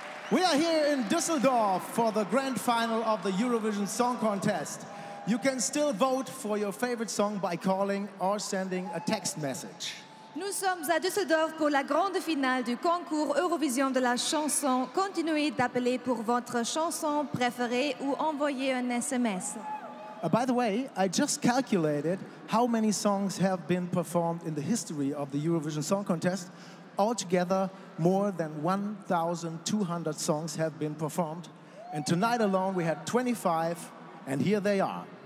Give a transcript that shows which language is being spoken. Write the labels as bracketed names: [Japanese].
[English] We are here in Düsseldorf for the grand final of the Eurovision Song Contest. You can still vote for your favorite song by calling or sending a text message. [French] Nous sommes à Düsseldorf pour la grande finale du concours Eurovision de la chanson. Continuez d'appeler pour votre chanson préférée ou envoyez un SMS. [English] By the way, I just calculated how many songs have been performed in the history of the Eurovision Song Contest. Altogether, more than 1,200 songs have been performed. And tonight alone, we had 25, and here they are.